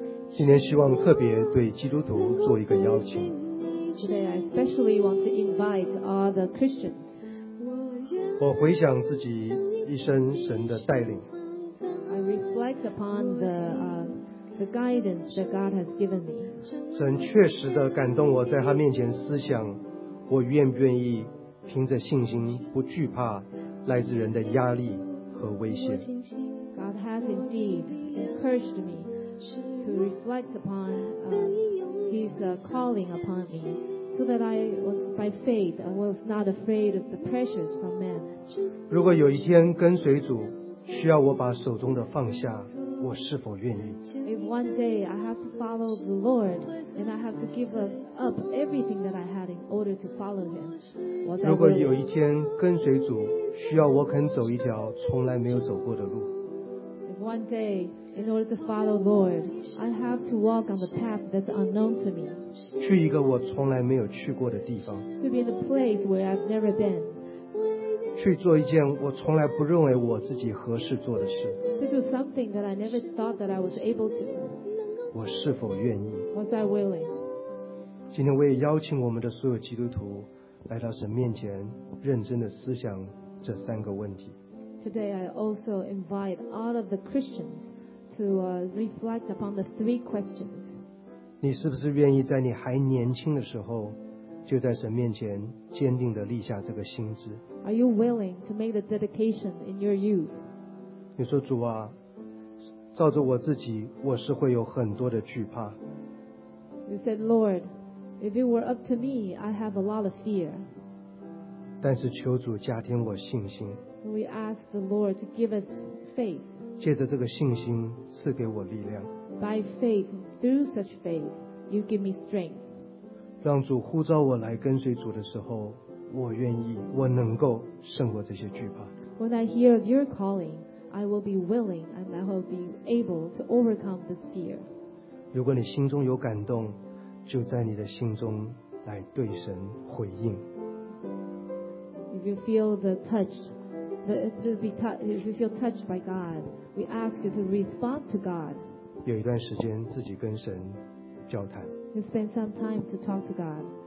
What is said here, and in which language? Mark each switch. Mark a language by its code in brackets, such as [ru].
[zh] 今天希望特别对基督徒做一个邀请。 [en] Today I especially want to invite all the Christians. [zh] 我回想自己一生神的带领。 [en] I reflect upon the guidance that God has given me. [zh] 神确实的感动我，在他面前思想，我愿不愿意凭着信心，不惧怕来自人的压力和威胁。 [en] God has indeed encouraged me to reflect upon His calling upon me, so that I was by faith I was not afraid of the pressures from men. [zh] 如果有一天跟随主需要我把手中的放下，我是否愿意？ [en] If one day I have to follow the Lord and I have to give up everything that I had in order to follow Him, [zh] 如果有一天跟随主需要我肯走一条从来没有走过的路。 [en] If one day, in order to follow Lord, I have to walk on the path that's unknown to me. [zh] 去一个我从来没有去过的地方。 [en] To be in a place where I've never been. [zh] 去做一件我从来不认为我自己合适做的事。 [en] To do something that I never thought that I was able to. [zh] 我是否愿意？ [en] Was I willing? [zh] 今天我也邀请我们的所有基督徒来到神面前，认真的思想这三个问题。 [en] Today I also invite all of the Christians to reflect upon the three questions. [zh] 你是不是愿意在你还年轻的时候就在神面前坚定地立下这个心志？ [en] Are you willing to make the dedication in your youth? [zh] 你说主啊，照着我自己我是会有很多的惧怕。 [en] You said Lord, if it were up to me, I have a lot of fear. [zh] 但是求主加添我信心。 [en] We ask the Lord to give us faith. [zh] 借着这个信心赐给我力量。 [en] By faith, through such faith, you give me strength. [zh] 让主呼召我来跟随主的时候，我愿意，我能够胜过这些惧怕。 [en] When I hear of your calling, I will be willing and I will be able to overcome this fear. [zh] 如果你心中有感动，就在你的心中来对神回应。 [en] If you feel the touch, if you feel touched by God, we ask you to respond to God. [zh] 有一段时间自己跟神交谈。 [en] You spend some time to talk to God.